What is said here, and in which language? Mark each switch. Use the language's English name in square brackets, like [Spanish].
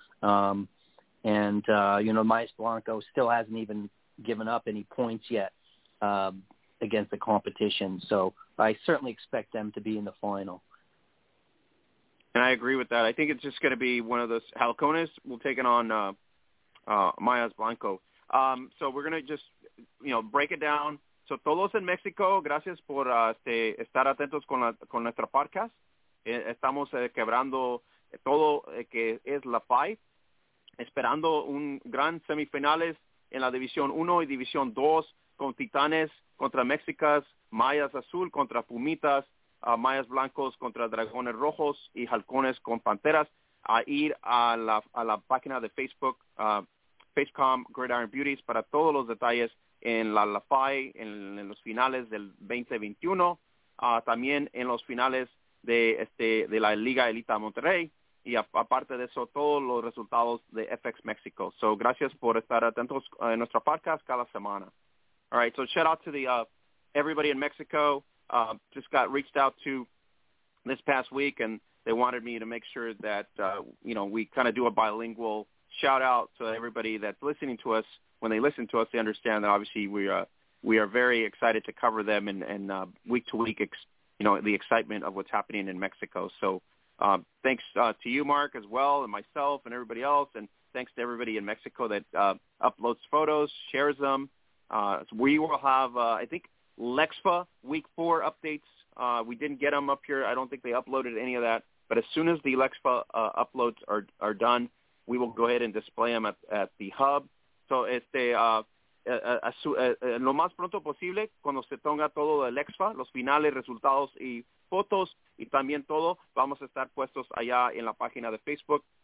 [English] Maya Blanco still hasn't even given up any points yet against the competition. So I certainly expect them to be in the final. And I agree with that. I think it's just going to be one of those. Halcones will take it on Mayas Blanco. So we're going to just, break it down. [Spanish] So todos en México, gracias por estar atentos con nuestra podcast. Estamos quebrando todo que es la fight, esperando un gran semifinales en la División 1 y División 2 con Titanes contra Mexicas, Mayas Azul contra Pumitas, Mayas Blancos contra Dragones Rojos y Halcones con Panteras, a ir a la página de Facebook, Facecom Gridiron Beauties, para todos los detalles en la FAI, en los finales del 2021, también en los finales de la Liga Elita Monterrey, y aparte de eso, todos los resultados de FX Mexico. So, gracias por estar atentos en nuestro podcast cada semana. [English] All right, so shout out to the everybody in Mexico. Just got reached out to this past week, and they wanted me to make sure that, we kind of do a bilingual shout-out to everybody that's listening to us. When they listen to us, they understand that obviously we are very excited to cover them and week-to-week, the excitement of what's happening in Mexico. So thanks to you, Mark, as well, and myself and everybody else, and thanks to everybody in Mexico that uploads photos, shares them. So we will have, I think, Lexpa week 4 updates. We didn't get them up here. I don't think they uploaded any of that. But as soon as the Lexpa uploads are done, we will go ahead and display them at the hub. [Spanish] So lo más pronto posible, cuando se tenga todo de Lexpa, los finales, resultados y fotos, y también todo, vamos a estar puestos allá en la página de Facebook.